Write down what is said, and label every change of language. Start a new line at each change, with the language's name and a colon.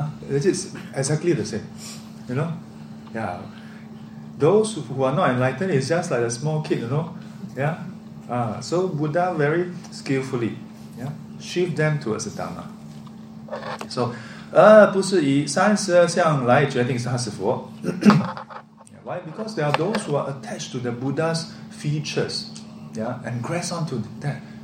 English: It is exactly the same, you know? Yeah. Those who are not enlightened is just like a small kid, you know? Yeah? So Buddha very skillfully, shift them towards the Dhamma.
Chinese: So, 不是以三十二相来决定是他是佛.
English: Why? Because there are those who are attached to the Buddha's features, and grasp onto that.